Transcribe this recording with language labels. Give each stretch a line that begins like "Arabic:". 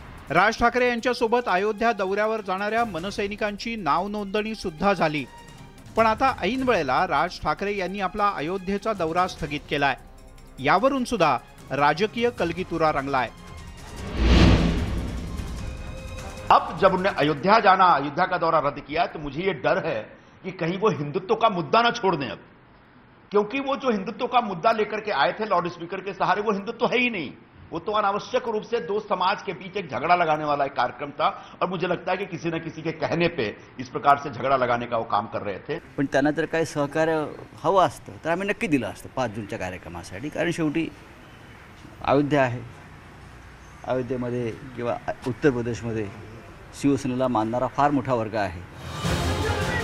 Marathi: राज ठाकरे यांच्यासोबत अयोध्या दौऱ्यावर जाणाऱ्या मनसैनिकांची नाव नोंदणी सुद्धा झाली, पण आता ऐन वेळेला राज ठाकरे यांनी आपला अयोध्येचा दौरा स्थगित केलाय, यावरून सुद्धा राजकीय कलगीतुरा रंगलाय।
Hindi: अब जब उन्हें अयोध्या जाना, अयोध्या का दौरा रद्द किया, तो मुझे ये डर है कि कहीं वो हिंदुत्व का मुद्दा ना छोड़ दें अब, क्योंकि वो जो हिंदुत्व का मुद्दा लेकर के आए थे लॉर्ड स्पीकर के सहारे, वो हिंदुत्व है ही नहीं, वो तो अनावश्यक रूप से दो समाज के बीच एक झगड़ा लगाने वाला एक कार्यक्रम था, और मुझे लगता है कि किसी न किसी के कहने पे इस प्रकार से झगड़ा लगाने का वो काम कर रहे थे।
Marathi: पण त्यांना जर काही सहकार्य हवं असतं तर आम्ही नक्की दिलं असतं 5 जूनच्या कार्यक्रमासाठी, कारण शेवटी अयोध्या आहे, अयोध्येमध्ये किंवा उत्तर प्रदेशमध्ये शिवसेनेला मानणारा फार मोठा वर्ग आहे।